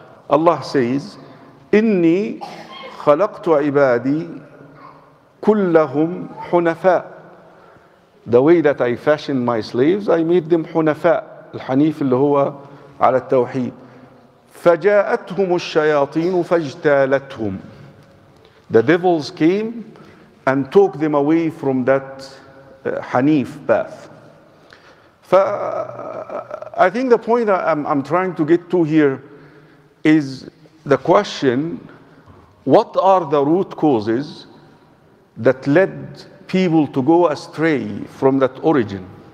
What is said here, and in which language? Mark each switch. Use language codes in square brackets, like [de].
[en] Allah says, [ar] إِنِّي خَلَقْتُ عِبَادِي كُلَّهُمْ حُنَفَاءَ. [en] The way that I fashioned my slaves, I made them [ar] حنفاء, الحنيف اللي هو على التوحيد. فجاءتهم الشياطين فاجتالتهم. [en] The devils came and took them away from that حنيف path. I think the point that I'm trying to get to here is the question, what are the root causes that led people to go astray from that origin?